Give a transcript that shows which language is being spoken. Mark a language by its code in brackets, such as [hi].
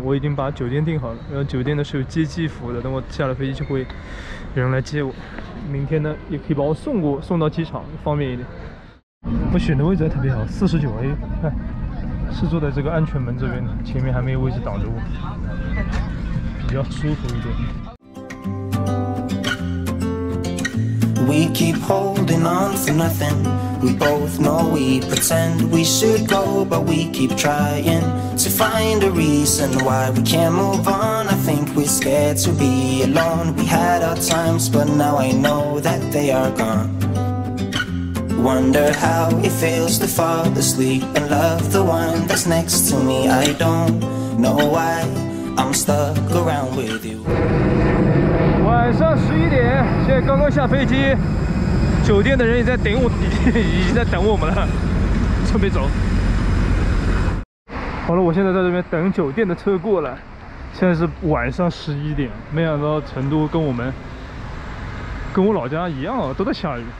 [zh] 我已经把酒店订好了，然后酒店的是有接机服务的，等我下了飞机就会有人来接我。明天呢也可以把我送到机场，方便一点。我选的位置特别好，49A， 看是坐在这个安全门这边的，前面还没有位置挡着我，比较舒服一点。 [en] We keep holding on for nothing. We both know we pretend we should go, but we keep trying to find a reason why we can't move on. I think we're scared to be alone. We had our times, but now I know that they are gone. Wonder how it feels to fall asleep and love the one that's next to me. I don't know why I'm stuck around with you. [zh] 晚上11点，现在刚刚下飞机，酒店的人也在等我，已经在等我们了，车没走。好了，我现在在这边等酒店的车过来，现在是晚上11点，没想到成都跟我老家一样啊，都在下雨。